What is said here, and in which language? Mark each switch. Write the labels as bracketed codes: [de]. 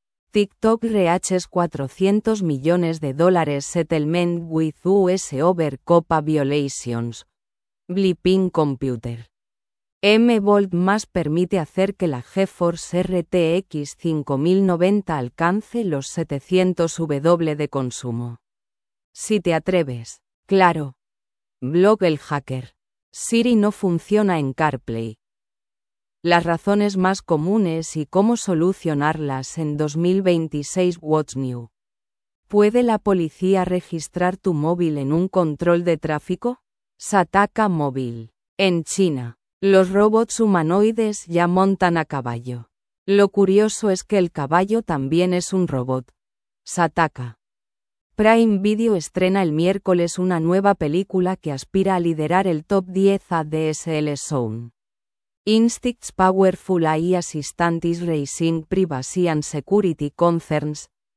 [en] TikTok reaches $400 millones settlement with US over COPPA violations. Bleeping Computer. [es] M-Volt más permite hacer que la GeForce RTX 5090 alcance los 700 W de consumo. Si te atreves. Claro. Blog El Hacker. Siri no funciona en CarPlay. Las razones más comunes y cómo solucionarlas en 2026 What's New. ¿Puede la policía registrar tu móvil en un control de tráfico? Sataka Móvil. En China, los robots humanoides ya montan a caballo. Lo curioso es que el caballo también es un robot. Sataka. Prime Video estrena el miércoles una nueva película que aspira a liderar el top 10 ADSL Zone. [en] Instinct's Powerful AI Assistant is Raising Privacy and Security Concerns.